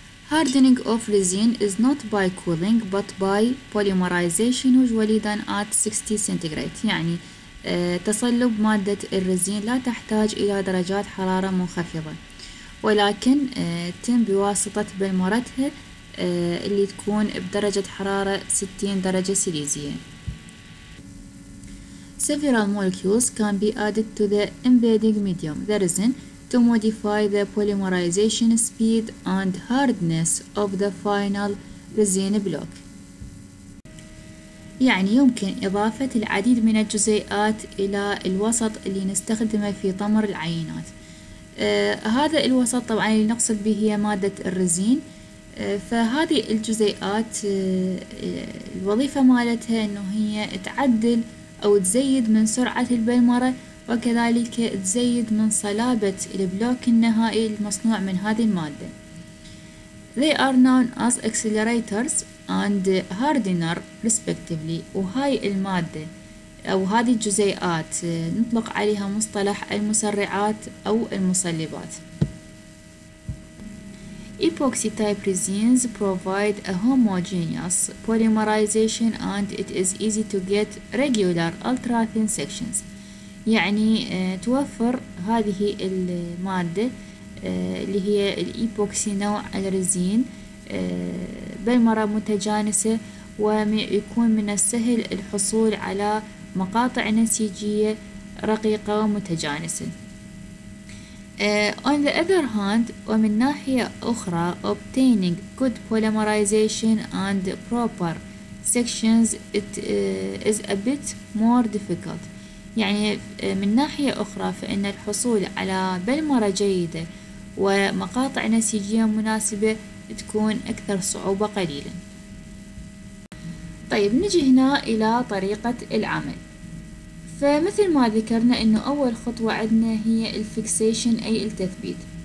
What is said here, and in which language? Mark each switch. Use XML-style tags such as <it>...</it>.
<en>Hardening of resin is not by cooling but by polymerization usually done at 60 centigrade.</en> <ar>يعني تصلب مادة الرزين لا تحتاج إلى درجات حرارة منخفضة، ولكن تم بواسطة بلمرتها اللي تكون بدرجة حرارة 60 درجة سيليزية.</ar> <en>Several molecules can be added to the embedding medium, the resin, to modify the polymerization speed and hardness of the final resin block.</en> <ar>يعني يمكن إضافة العديد من الجزيئات إلى الوسط اللي نستخدمه في طمر العينات. هذا الوسط طبعا اللي نقصد به هي مادة الرزين، فهذه الجزيئات الوظيفة مالتها انه هي تعدل او تزيد من سرعة البلمرة، وكذلك تزيد من صلابة البلوك النهائي المصنوع من هذه المادة.</ar> <en>They are known as accelerators and hardener respectively.</en> <ar>وهاي المادة او هذه الجزيئات نطلق عليها مصطلح المسرعات او المصلبات.</ar> <en>Epoxy type resins provide a homogeneous polymerization and it is easy to get regular ultra thin sections.</en> <ar>يعني توفر هذه المادة اللي هي الإيبوكسي نوع الرزين بلمرة متجانسة، ويكون من السهل الحصول على مقاطع نسيجية رقيقة ومتجانسة.</ar> <en>On the other hand,</en> <ar>ومن ناحية أخرى,</ar> <en>obtaining good polymerization and proper sections it is a bit more difficult.</en> <ar>يعني من ناحية أخرى، فإن الحصول على بلمرة جيدة ومقاطع نسيجية مناسبة تكون أكثر صعوبة قليلا. طيب، نجي هنا إلى طريقة العمل. فمثل ما ذكرنا أنه أول خطوة عندنا هي الفيكسيشن، أي التثبيت.</ar>